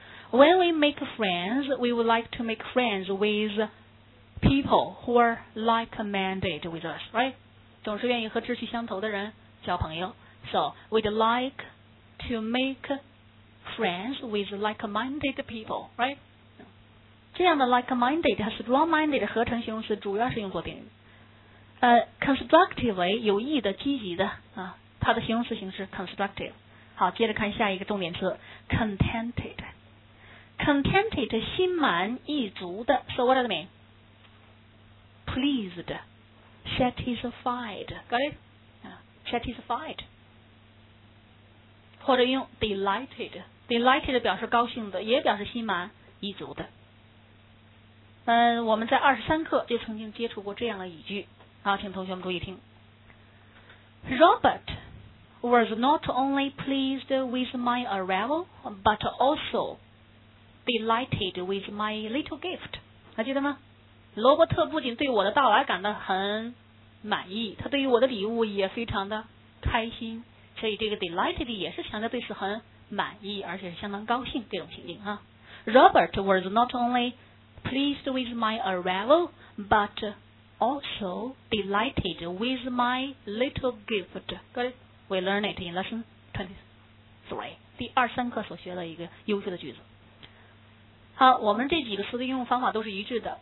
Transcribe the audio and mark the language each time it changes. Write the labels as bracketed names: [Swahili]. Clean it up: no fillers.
[English] When we make friends, we would like to make friends with people who are like-minded with us, right? [Chinese] 总是愿意和志趣相投的人交朋友。 [English] So, we'd like to make friends with like-minded people, right? [Chinese] 这样的 like-minded 和 strong-minded 合成形容词主要是用作宾语。 [English] Constructively, [Chinese] 有益的、积极的啊，它的形容词形式 constructive。好，接着看下一个重点词 contented。contented 心满意足的 ， [English] so what does it mean? Pleased, satisfied, got it? Satisfied, [Chinese] 或者用 delighted。 delighted 表示高兴的，也表示心满意足的。我们在23课就曾经接触过这样的语句。好，请同学们注意听。 [English] Robert was not only pleased with my arrival, but also delighted with my little gift. [Chinese] 还记得吗？罗伯特不仅对我的到来感到很满意，他对于我的礼物也非常的开心。所以这个 delighted 也是强调对此很满意，而且是相当高兴这种情境啊。 [English] Robert was not only pleased with my arrival, but also delighted with my little gift. Got it? We learn it in lesson 23. [Chinese] 第23课所学的一个优秀的句子。好，我们这几个词的应用方法都是一致的。